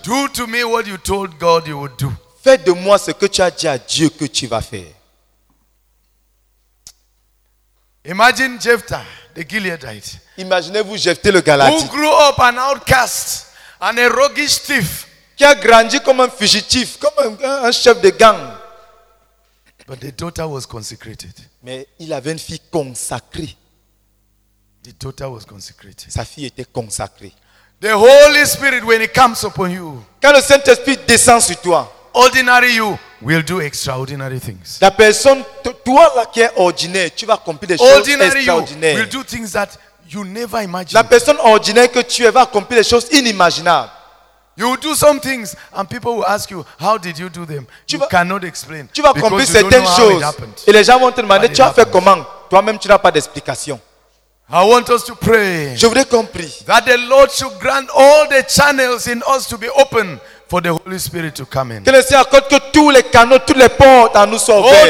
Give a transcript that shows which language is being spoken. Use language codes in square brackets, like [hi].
[en] do to me what you told God you would do. [fr] Fais de moi ce que tu as dit à Dieu que tu vas faire. [en] Imagine Jephthah, the Gileadite. [fr] Imaginez-vous Jephthah le Galadite. [en] Who grew up an outcast, an a roguish thief. [fr] Qui a grandi comme un fugitif, comme un chef de gang. [en] But the daughter was consecrated. [fr] Mais il avait une fille consacrée. [en] The daughter was consecrated. [fr] Sa fille était consacrée. [en] The Holy Spirit, when it comes upon you, [fr] quand le Saint-Esprit descend sur toi, [en] ordinary you will do extraordinary things. [fr] La personne, toi là qui es ordinaire, tu vas accomplir des [en] ordinary [fr] choses extraordinaires. [en] You will do things that you never imagined. [fr] La personne ordinaire que tu es va accomplir des choses inimaginables. [en] You will do some things and people will ask you, how did you do them? You cannot explain. [fr] Tu vas accomplir certaines choses. Et les gens vont te demander, tu as fait comment? Toi-même, tu n'as pas d'explication. [en] I want us to pray. [fr] Je voudrais qu'on prie. [en] That the Lord should grant all the channels in us to be open for the Holy Spirit to come in. [fr] Que le Seigneur accorde que tous les canaux, toutes les portes en nous soient ouvertes.